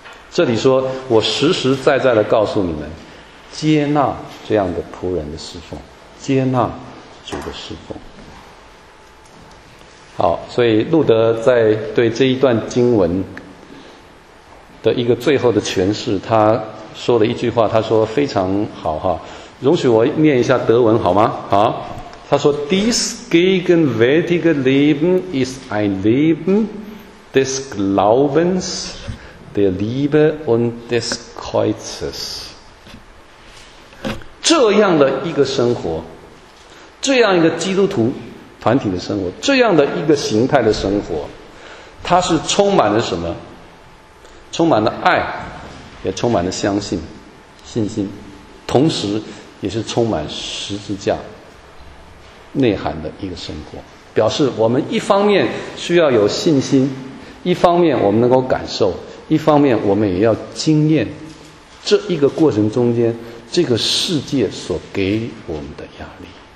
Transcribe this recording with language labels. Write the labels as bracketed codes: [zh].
[zh] 这里说，我实实在在的告诉你们，接纳这样的仆人的侍奉，接纳主的侍奉。好，所以路德在对这一段经文的一个最后的诠释，他说了一句话，他说非常好哈，容许我念一下德文好吗？好。他说 [de] Dies gegenwärtige Leben ist ein Leben des Glaubens, der Liebe und des Kreuzes. [zh] 这样的一个生活，这样一个基督徒团体的生活，这样的一个形态的生活，它是充满了什么？充满了爱，也充满了相信、信心，同时也是充满十字架内涵的一个生活，表示我们一方面需要有信心，一方面我们能够感受，一方面我们也要经验这一个过程中间这个世界所给我们的压力。